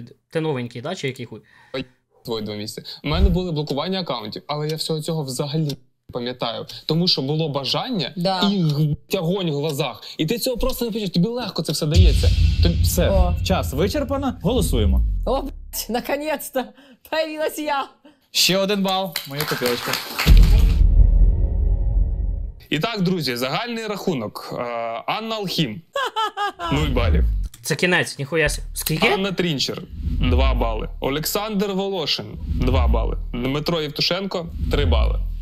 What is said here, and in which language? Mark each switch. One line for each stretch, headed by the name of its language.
Ukrainian: Ти новенький, да? Чи який хуй? Твої 2 місяці. У мене були блокування аккаунтів, але я всього цього взагалі пам'ятаю, тому що було бажання да. І тягонь в глазах. І ти цього просто не пишеш, тобі легко це все дається. Тобі... Все, о. Час вичерпано, голосуємо.
Russian: О, блядь, наконец-то, появилась я.
Ukrainian: Ще один бал, моя копілочка. І так, друзі, загальний рахунок. Анна Алхім, 0 балів. Це кінець, ніхуя себе. Скільки? Анна Трінчер, 2 бали. Олександр Волошин, 2 бали. Дмитро Євтушенко, 3 бали.